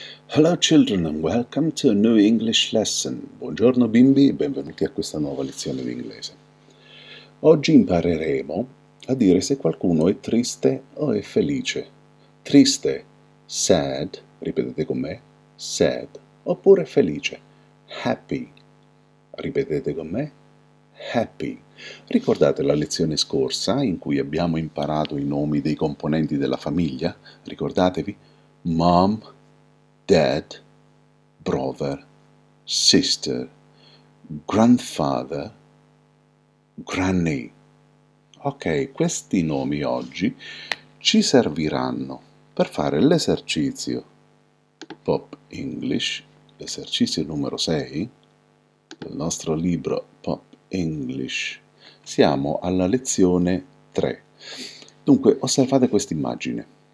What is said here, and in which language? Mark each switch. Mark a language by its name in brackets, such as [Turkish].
[English] Hello children and welcome to a new English lesson. [Italian] Buongiorno bimbi e benvenuti a questa nuova lezione di inglese. Oggi impareremo a dire se qualcuno è triste o è felice. Triste, sad, ripetete con me, sad, oppure felice, happy, ripetete con me, happy. Ricordate la lezione scorsa in cui abbiamo imparato i nomi dei componenti della famiglia? Ricordatevi, [English] mom, dad, brother, sister, grandfather, granny. [Italian] Ok, questi nomi oggi ci serviranno per fare l'esercizio Pop English, l'esercizio numero 6 del nostro libro Pop English. Siamo alla lezione 3. Dunque, osservate questa immagine.